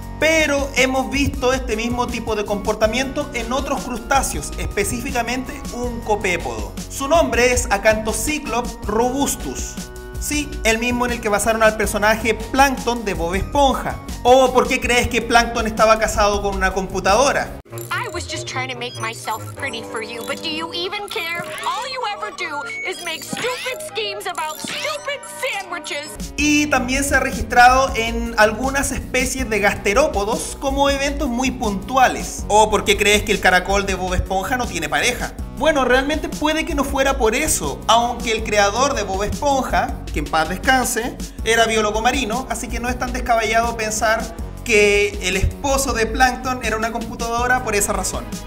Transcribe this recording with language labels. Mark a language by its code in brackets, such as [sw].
[es] Pero hemos visto este mismo tipo de comportamiento en otros crustáceos, específicamente un copépodo. Su nombre es Acanthocyclops robustus. Sí, el mismo en el que basaron al personaje Plankton de Bob Esponja. ¿O por qué crees que Plankton estaba casado con una computadora? [en] I was just trying to make myself pretty for you, but do you even care? All you ever do is make stupid schemes about stupid sandwiches. [es] Y también se ha registrado en algunas especies de gasterópodos como eventos muy puntuales. ¿O por qué crees que el caracol de Bob Esponja no tiene pareja? Bueno, realmente puede que no fuera por eso, aunque el creador de Bob Esponja, que en paz descanse, era biólogo marino, así que no es tan descabellado pensar que el esposo de Plankton era una computadora por esa razón.